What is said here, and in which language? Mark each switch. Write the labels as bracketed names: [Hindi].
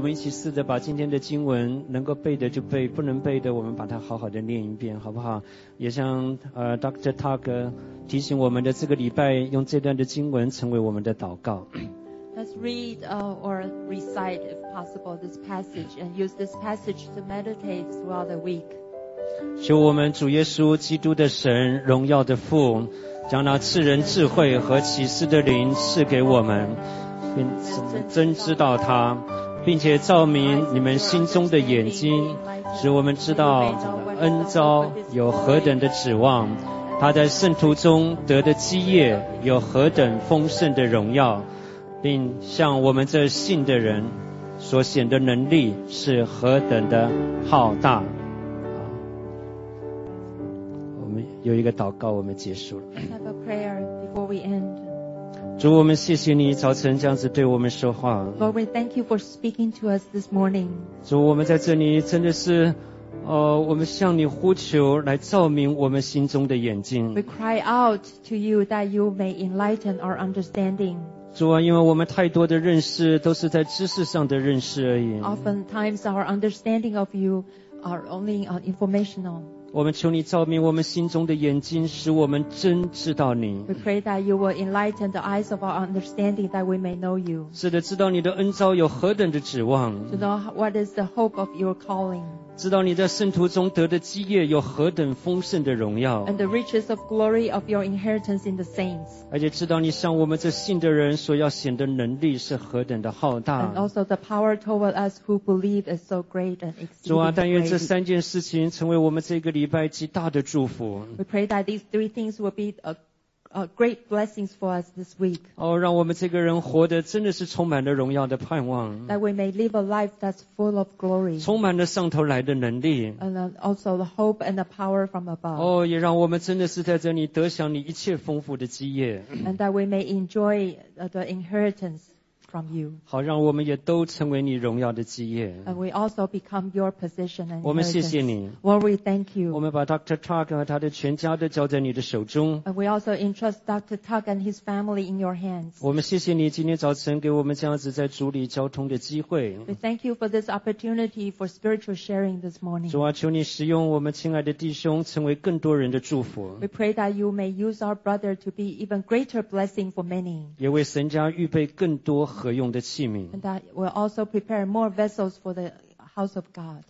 [Chinese] 试着把今天的经文能够背的就背，不能背的我们把它好好的念一遍好不好？也像Dr. Tuck 提醒我们的，这个礼拜用这段的经文成为我们的祷告。 [English] Let's read or recite if possible this passage and use this passage to meditate throughout the week. [Chinese] 求我们主耶稣基督的神，荣耀的父，将那赐人智慧和启示的灵赐给我们，并真知道他，并且照明你们心中的眼睛，使我们知道恩召有何等的指望，他在圣徒中得的基业有何等丰盛的荣耀，并向我们这信的人所显的能力是何等的浩大。我们有一个祷告，我们结束了。 [English] Have a prayer before we end. [Chinese] 主，我们谢谢你早晨这样子对我们说话。 [English] Lord, we thank you for speaking to us this morning. [Chinese] 主，我们在这里真的是我们向你呼求，来照明我们心中的眼睛。 [English] We cry out to you that you may enlighten our understanding. [Chinese] 主啊，因为我们太多的认识都是在知识上的认识而已。 [English] Oftentimes our understanding of you are only informational. [Chinese] 我们求你照明我们心中的眼睛，使我们真知道你。 [English] We pray that you will enlighten the eyes of our understanding that we may know you. [Chinese] 是的，知道你的恩召有何等的指望。 [English] To know what is the hope of your calling. [Chinese] 知道你在圣徒中得的基业有何等丰盛的荣耀。 [English] And the riches of glory of your inheritance in the saints. [Chinese] 而且知道你向我们这信的人所要显的能力是何等的浩大。 [English] And also the power toward us who believe is so great and exceeding great. [Chinese] 主啊，但愿这三件事情成为我们这个礼拜极大的祝福。 [English] We pray that these three things will be great blessings for us this week. [Chinese] 哦，让我们这个人活得真的是充满了荣耀的盼望。 [English] That we may live a life that's full of glory. [Chinese] 充满了上头来的能力。 [English] And also the hope and the power from above. [Chinese] 哦，也让我们真的是在这里得享你一切丰富的基业。 [English] And that we may enjoy the inheritance from you. [Chinese] 好，让我们也都成为你荣耀的基业。 [English] And we also become your possession and inheritance. [Chinese] 我们谢谢你。 [English] Lord, we thank you. [Chinese] 我们把 Dr. Tuck 和他的全家都交在你的手中。 [English] And we also entrust Dr. Tuck and his family in your hands. [Chinese] 我们谢谢你今天早晨给我们这样子在主里交通的机会。 [English] We thank you for this opportunity for spiritual sharing this morning. [Chinese] 主啊，求你使用我们亲爱的弟兄成为更多人的祝福。 [English] We pray that you may use our brother to be even greater blessing for many. [Chinese] 也为神家预备更多合用的器皿。 [English] And that will also prepare more vessels for the house of God.